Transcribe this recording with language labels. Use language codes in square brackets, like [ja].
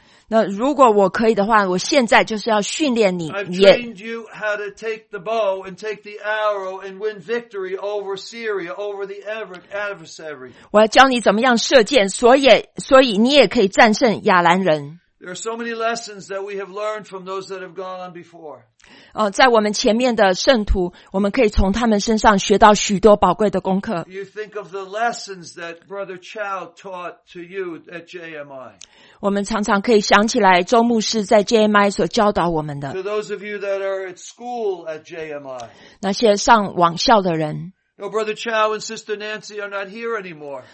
[zh] 那如果我可以的话，我现在就是要训练你。 [en] I've trained you how to take the bow and take the arrow and win victory over Syria, over the adversary. [zh] 我要教你怎么样射箭，所以你也可以战胜亚兰人。 [en] There are so many lessons that we have learned from those that have gone on before. [zh] 在我们前面的圣徒，我们可以从他们身上学到许多宝贵的功课。 [en] You think of the lessons that Brother Chow taught to you at JMI. [zh] 我们常常可以想起来周牧师在 JMI 所教导我们的 [en] to those of you that are at school at JMI, [zh] 那些上网校的人 [en] no, Brother Chow and Sister Nancy are not here anymore.